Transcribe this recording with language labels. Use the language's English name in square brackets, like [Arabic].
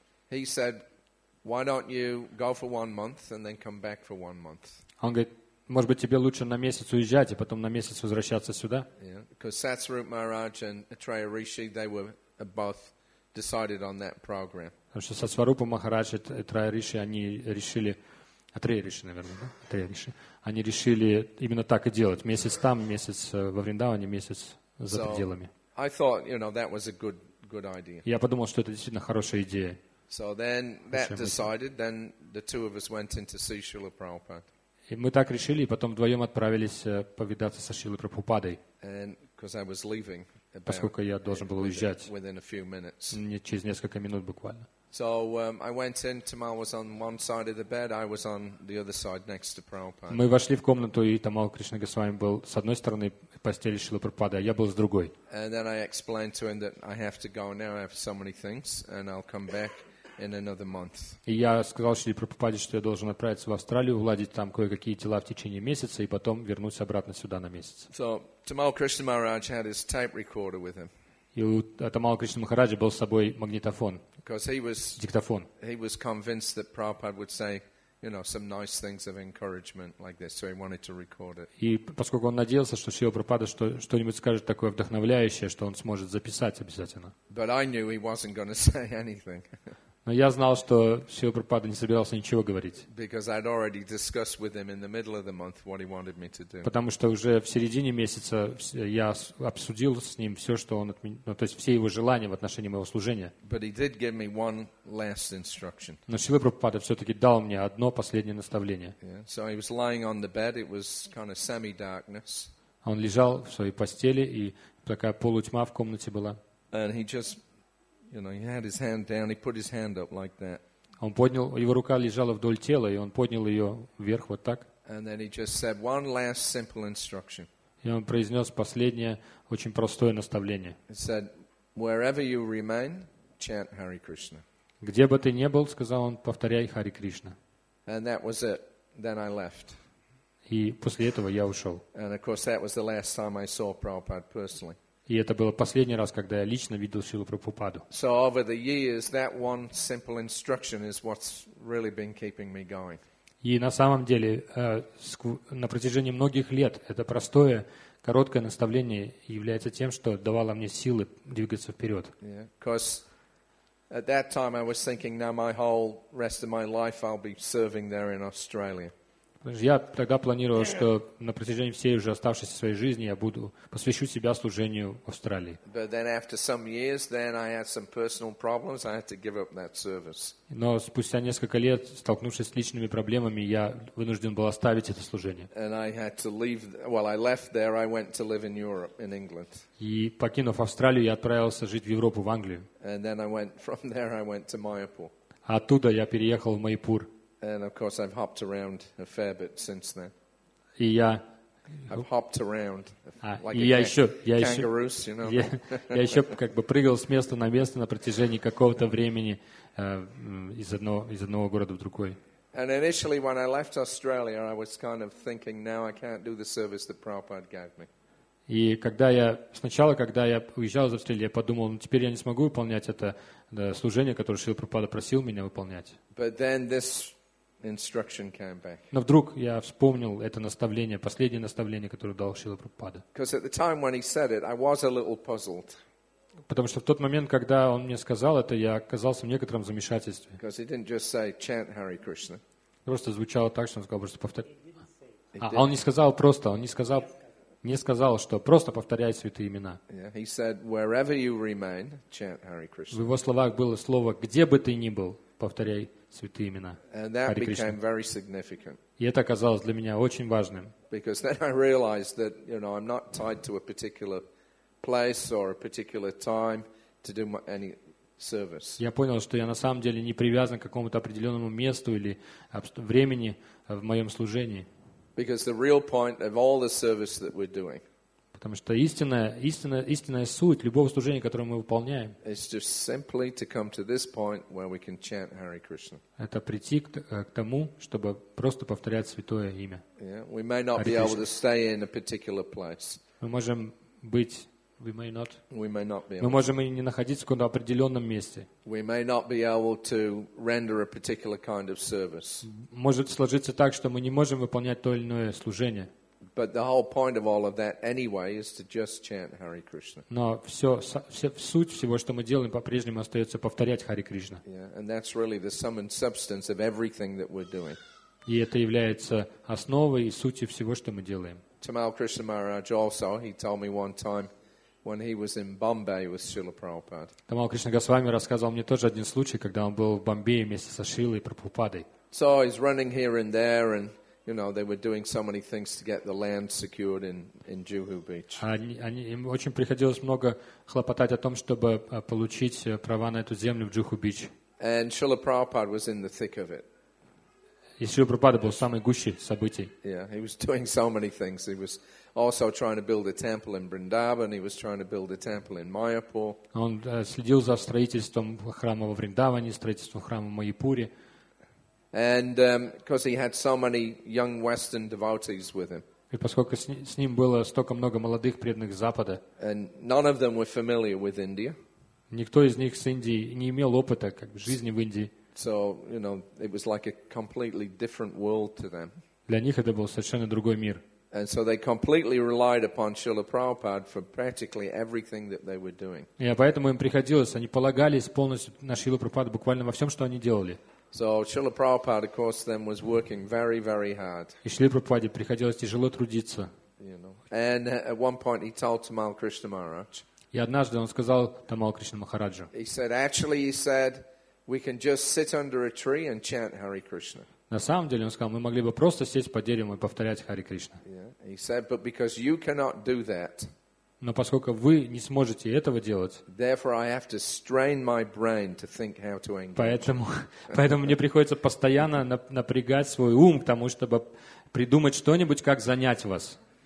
[English] He said, "Why don't you go for 1 month and then come back for 1 month?" [Russian] Он говорит, может быть, тебе лучше на месяц уезжать и потом на месяц возвращаться сюда. [English] Because Satsarupa Maharaj and Atreya Rishi, they were both decided on that program. [Russian] Потому что Сатсварупа Махарадж и Атрея Риши, они решили, они решили именно так и делать: месяц там, месяц во Вриндаване, месяц за пределами. [English] I thought, you know, that was a good idea. [Russian] Я подумал, что это действительно хорошая идея. [English] So then that decided, then the two of us went into see Srila Prabhupada. [Russian] И мы так решили, и потом вдвоем отправились повидаться со Шрилой Прабхупадой. [English] And because I was leaving, [Russian] поскольку я должен был уезжать, [English] within a few minutes. [Russian] Не через несколько минут буквально. [English] So I went in. Tamal was on one side of the bed. I was on the other side next to Prabhupada. [Russian] Мы вошли в комнату, и Тамал Кришна Госвами был с одной стороны постели Шрилы Прабхупады, а я был с другой. [English] And then I explained to him that I have to go now. I have so many things, and I'll come back in another month. [Russian] И я сказал Шриле Прабхупаде, что я должен отправиться в Австралию, уладить там кое-какие дела в течение месяца, и потом вернуться обратно сюда на месяц. [English] So Tamal Krishna Maharaj had his tape recorder with him. [Russian] И у Тамал Кришна Махараджа был с собой магнитофон. [English] Because he was convinced that Prabhupada would say, you know, some nice things of encouragement like this, so he wanted to record it. [Russian] И поскольку он надеялся, что Шрила Прабхупада что-нибудь скажет такое вдохновляющее, что он сможет записать обязательно. [English] But I knew he wasn't going to say anything. [Russian] Но я знал, что Шрила Прабхупада не собирался ничего говорить. [English] Because I'd already discussed with him in the middle of the month what he wanted me to do. [Russian] Потому что уже в середине месяца я обсудил с ним все, что он, ну, то есть все его желания в отношении моего служения. [English] But he did give me one last instruction. [Russian] Но Шрила Прабхупада все-таки дал мне одно последнее наставление. [English] Yeah. So he was lying on the bed. It was kind of semi-darkness. [Russian] Он лежал в своей постели, и такая полутьма в комнате была. [English] And he just, you know, he had his hand down, he put his hand up like that. [Russian] Он поднял, его рука лежала вдоль тела, и он поднял ее вверх вот так. [English] And then he just said one last simple instruction. [Russian] И он произнес последнее очень простое наставление. [English] He said, wherever you remain, chant Hare Krishna. [Russian] Где бы ты ни был, сказал он, повторяй Хари Кришна. [English] And that was it. Then I left. [Russian] И после этого я ушел. [English] And of course that was the last time I saw Prabhupada personally. [Russian] И это был последний раз, когда я лично видел Шрилу Прабхупаду. [English] So over the years, that one simple instruction is what's really been keeping me going. [Russian] И на самом деле, на протяжении многих лет, это простое, короткое наставление является тем, что давало мне силы двигаться вперед. [English] Yeah, because at that time I was thinking, now my whole rest of my life I'll be serving there in Australia. [Russian] Я тогда планировал, что на протяжении всей уже оставшейся своей жизни я буду посвящу себя служению Австралии. [English] But then after some years, then I had some personal problems. I had to give up that service. [Russian] Но спустя несколько лет, столкнувшись с личными проблемами, я вынужден был оставить это служение. [English] And I had to leave. Well, I left there. I went to live in Europe, in England. [Russian] И покинув Австралию, я отправился жить в Европу, в Англию. [English] And then I went from there. I went to Майяпур. [Russian] Оттуда я переехал в Майяпур. [English] And of course, I've hopped around a fair bit since then. [Russian] И я. [English] I've hopped around. [Russian] Я еще. [English] You know? [Russian] я еще как бы прыгал с места на место на протяжении какого-то времени из одного города в другой. [English] And initially, when I left Australia, I was kind of thinking, now I can't do the service that Prabhupada gave me. [Russian] И когда я уезжал из Австралии, я подумал, ну теперь я не смогу выполнять это служение, которое Шрила Прабхупада просил меня выполнять. [English] But then this instruction came back. [Russian] Но вдруг я вспомнил это наставление, последнее наставление, которое дал Шрила Прабхупада. [English] Because at the time when he said it, I was a little puzzled. [Russian] Потому что в тот момент, когда он мне сказал это, я оказался в некотором замешательстве. [English] Because he didn't just say, chant Hare Krishna. [Russian] Просто звучало так, что он сказал, просто повтори. Он не сказал, что просто повторяй святые имена. [English] Yeah, he said, wherever you remain, chant Hare Krishna. [Russian] В его словах было слово, где бы ты ни был, повторяй святые имена. [English] And that became very significant. [Russian] И это оказалось для меня очень важным. [English] Because then I realized that, you know, I'm not tied to a particular place or a particular time to do any service. [Russian] Я понял, что я на самом деле не привязан к какому-то определенному месту или времени в моем служении. [English] Because the real point of all the service that we're doing. [Russian] Потому что истинная суть любого служения, которое мы выполняем. [English] Is just simply to come to this point where we can chant Hare Krishna. [Russian] Это прийти к тому, чтобы просто повторять святое имя. [English] Yeah, we may not be able to stay in a particular place. [Russian] Мы можем быть [English] We may not. We may not be. [Russian] Мы можем и не находиться в каком-то определенном месте. [English] We may not be able to render a particular kind of service. [Russian] Может сложиться так, что мы не можем выполнять то или иное служение. [English] But the whole point of all of that, anyway, is to just chant Hare Krishna. [Russian] Но все суть всего, что мы делаем, по-прежнему остается повторять Хари Кришна. [English] Yeah, and that's really the sum and substance of everything that we're doing. [Russian] И это является основой и сутью всего, что мы делаем. [English] Tamal Krishna Maharaj also, he told me one time. When he was in Bombay with Srila Prabhupada. [Russian] Tamal Krishna Goswami рассказывал мне тоже один случай, когда он был в Бомбее вместе со Шрилой Прабхупадой. [English] So he's running here and there, and you know they were doing so many things to get the land secured in Juhu Beach. [Russian] Им очень приходилось много хлопотать о том, чтобы получить права на эту землю в Juhu Beach. [English] And Srila Prabhupada was in the thick of it. [Russian] И Шрила Прабхупада был в самой гуще событий. [English] Yeah, he was doing so many things. He was also trying to build a temple in Vrindavan. He was trying to build a temple in Mayapur. [Russian] Он следил за строительством храма во Вриндаване, строительством храма в Майяпуре. [English] And because he had so many young Western devotees with him. [Russian] И поскольку с ним было столько много молодых преданных Запада. [English] And none of them were familiar with India. [Russian] Никто из них с Индией не имел опыта как бы жизни в Индии. [English] So, you know, it was like a completely different world to them. [Russian] Для них это был совершенно другой мир. [English] And so they completely relied upon Srila Prabhupada for practically everything that they were doing. [Russian] И поэтому им приходилось, они полагались полностью на Шрилу Прабхупаду буквально во всем, что они делали. [English] So Srila Prabhupada, of course, then was working very, very hard. [Russian] И Шриле Прабхупаде приходилось тяжело трудиться. [English] You know. And at one point he told Tamal Krishna Maharaj. [Russian] И однажды он сказал Тамал Кришна Махараджу. [English] He said, actually, he said, we can just sit under a tree and chant Hare Krishna. [Russian] На самом деле, он сказал, мы могли бы просто сесть под деревом и повторять Хари Кришна. [English] Yeah. He said, but because you cannot do that, [Russian] но поскольку вы не сможете этого делать, [English] therefore I have to strain my brain to think how to engage. [Russian] Поэтому мне приходится постоянно напрягать свой ум к тому, чтобы придумать что-нибудь, как занять вас.